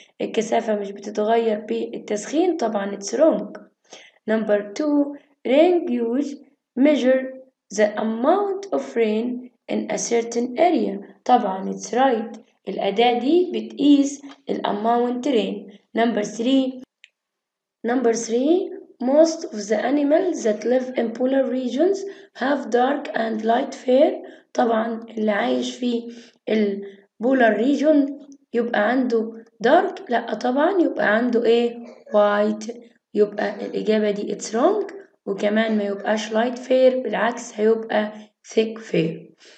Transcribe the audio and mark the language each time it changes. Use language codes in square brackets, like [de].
[ar] الكثافة مش بتتغير بالتسخين، طبعا [en] it's wrong. Number two, rain gauge measure the amount of rain in a certain area. طبعا it's right. [ar] الأداة دي بتقيس الـ [en] amount rain. Number three, most of the animals that live in polar regions have dark and light fur. [ar] طبعا اللي عايش في الـ [en] polar region [ar] يبقى عنده dark. لا طبعا، يبقى عنده ايه؟ white. يبقى الإجابة دي [en] it's wrong. [ar] وكمان ما يبقاش [en] light fur، [ar] بالعكس هيبقى [en] thick fur.